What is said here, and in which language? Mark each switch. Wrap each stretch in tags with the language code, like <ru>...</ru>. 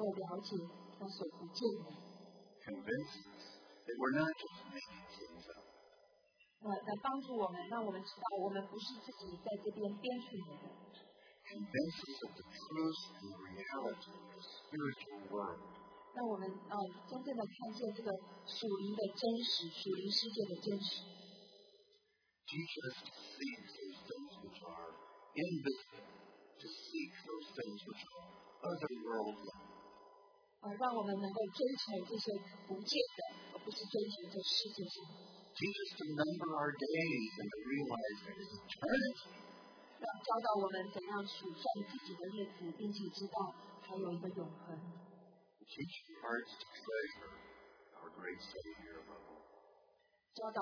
<zh>教导我们的心，让我们能够了解那所不见的。</zh> <en>Convince us that we're not just making things up.</en> <zh>来帮助我们，让我们知道我们不是自己在这边编出来的。</zh> <en>Convince us of the truth and reality of the spiritual world.</en> <zh>让我们真正的看见这个属灵的真实，属灵世界的真实。</zh> <en>Teach us to seek those things which are invisible, to seek those things which are otherworldly.</en> <zh>让我们能够追求这些不见的，而不是追求这世界上。</zh> <en>Teach us to number our days and to realize that it's eternity.</en> <zh>让教导我们怎样数算自己的日子，并且知道还有一个永恒。</zh> <en>Teach our hearts to treasure our great Savior above all.</en>